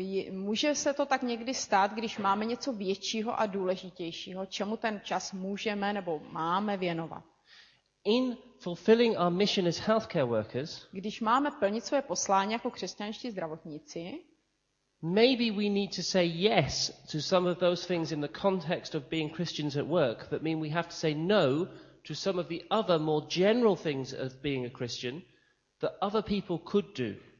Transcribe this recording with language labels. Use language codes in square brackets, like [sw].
[cs] Může se to tak někdy stát, když máme něco většího a důležitějšího, čemu ten čas můžeme nebo máme věnovat. [en] In fulfilling our mission as healthcare workers, [cs] když máme plnit své poslání jako křesťanští zdravotníci, [en] maybe we need to say yes to some of those things in the context of being Christians at work that mean we have to say no to some of the other more general things of being a Christian that other people could do.